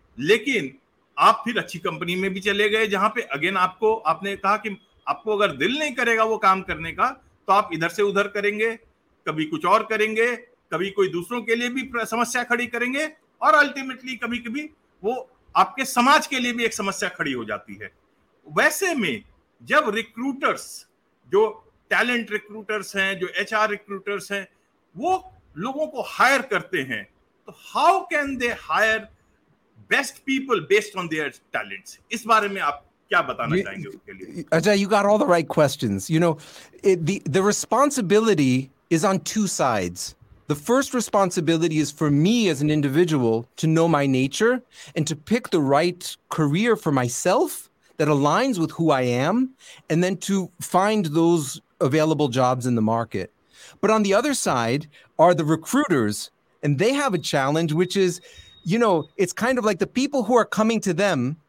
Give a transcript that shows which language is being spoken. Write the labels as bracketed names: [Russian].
[Hindi] lekin aap phir achhi company mein bhi chale gaye jahan pe again aapne kaha ki aapko agar dil nahi karega wo kaam karne ka to aap idhar se udhar karenge, kabhi kuch aur karenge, कभी कोई दूसरों के लिए भी समस्या खड़ी करेंगे, और अल्टीमेटली कभी कभी वो आपके समाज के लिए भी एक समस्या खड़ी हो जाती है। वैसे में जब रिक्रूटर्स, जो टैलेंट रिक्रूटर्स हैं, जो एचआर रिक्रूटर्स हैं, वो लोगों को हायर करते हैं, तो [English] How can they hire best people based on their talents? [Hindi] इस बारे में आप क्या बताना चाहेंगे उसके लिए? [English] अच्छा, you got all the right questions. You know, the responsibility is on two sides. The first responsibility is for me as an individual to know my nature and to pick the right career for myself that aligns with who I am, and then to find those available jobs in the market. But on the other side are the recruiters, and they have a challenge, which is, you know, it's kind of like the people who are coming to them